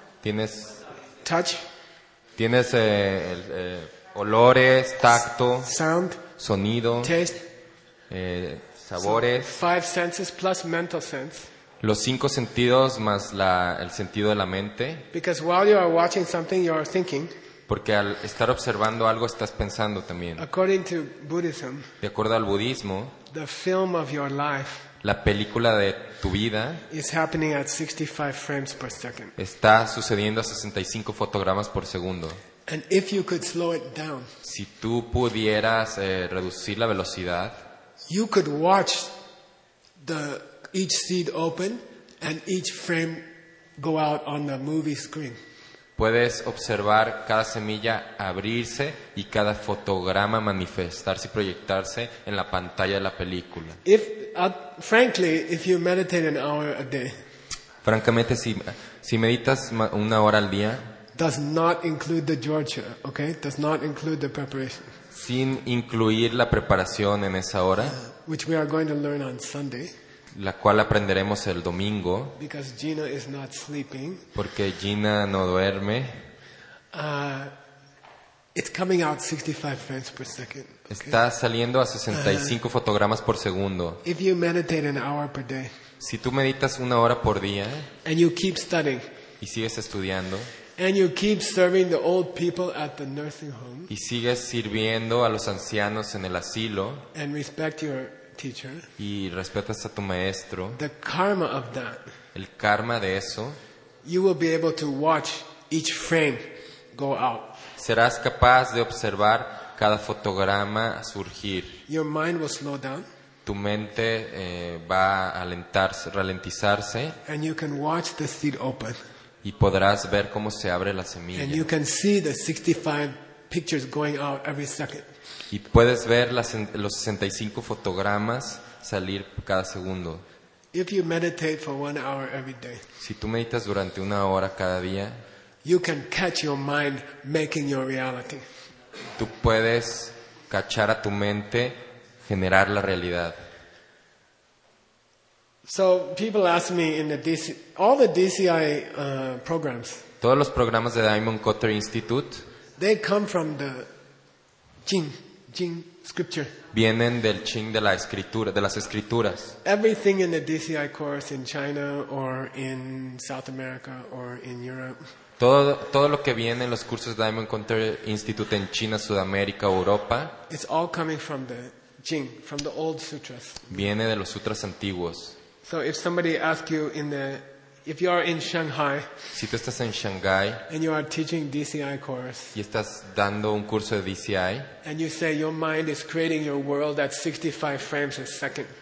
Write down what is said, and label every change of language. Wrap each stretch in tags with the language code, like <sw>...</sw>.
<es>Tienes</es> <en>touch.</en> <es>Tienes olores, tacto.</es> <en>Sound.</en> <es>Sonido.</es> <en>Taste.</en> <es>Sabores.</es> <en>So, five senses plus mental sense.</en> <es>Los cinco sentidos más el sentido de la mente.</es> <en>Because while you are watching something, you are thinking.</en> <es>Porque al estar observando algo estás pensando también.</es> <en>According to Buddhism,</en> <es>de acuerdo al budismo,</es> <en>the film of your life,</en> <es>la película de tu vida</es> <en>is happening at 65 frames per second.</en> <es>Está sucediendo a 65 fotogramas por segundo.</es> <en>And if you could slow it down,</en> <es>si tú pudieras reducir la velocidad,</es> <en>you could watch each seed open and each frame go out on the movie screen.</en> <es>Puedes observar cada semilla abrirse y cada fotograma manifestarse y proyectarse en la pantalla de la película.</es> <en>If you meditate an hour a day,</en> <es>francamente, si meditas una hora al día,</es> <en>does not include the georgia, okay? Does not include the preparation.</en> <es>Sin incluir la preparación en esa hora,</es> <en>which we are going to learn on Sunday,</en> <es>la cual aprenderemos el domingo,</es> <en>because Gina is not sleeping,</en> <es>porque Gina no duerme.</es> <en>It's coming out 65 frames per second.</en> <es>Okay? Está saliendo a 65 fotogramas por segundo.</es> <en>If you meditate an hour per day,</en> <es>si tú meditas una hora por día,</es> <en>and you keep studying,</en> <es>y sigues estudiando,</es> <en>and you keep serving the old people at the nursing home,</en> <es>y sigues sirviendo a los ancianos en el asilo,</es> <en>and respect your teacher,</en> <es>y respetas a tu maestro,</es> <en>the karma of that,</en> <es>el karma de eso,</es> <en>you will be able to watch each frame go out.</en> <es>Serás capaz de observar cada fotograma surgir.</es> <en>Your mind will slow down,</en> <es>tu mente va a ralentizarse,</es> <en>and you can watch the seed open,</en> <es>y podrás ver cómo se abre la semilla,</es> <en>and you can see the 65 pictures going out every second.</en> <es>Y puedes ver los 65 fotogramas salir cada segundo.</es> <en>If you meditate for one hour every day,</en> <es>si tú meditas durante una hora cada día,</es> <en>you can catch your mind making your reality.</en> <es>Tú puedes cachar a tu mente generar la realidad.</es> <en>So people ask me in the all the DCI programs.</en> <es>Todos los programas de Diamond Cutter Institute,</es> <en>they come from the Jing scripture.</en> <es>Vienen del Jing, de la escritura, de las escrituras.</es> <en>Everything in the DCI course in China or in South America or in Europe.</en> <es>Todo lo que viene en los cursos de Diamond Cutter Institute en China, Sudamérica, Europa.</es> <en>It's all coming from the Jing, from the old sutras.</en> <es>Viene de los sutras antiguos.</es> <en>So if somebody asks you if you are in Shanghai,</en> <es>si tú estás en Shanghai,</es> <en>and you are teaching DCI course,</en> <es>y estás dando un curso de DCI,</es> <en>and you say your mind is creating your world at 65 frames a second,</en>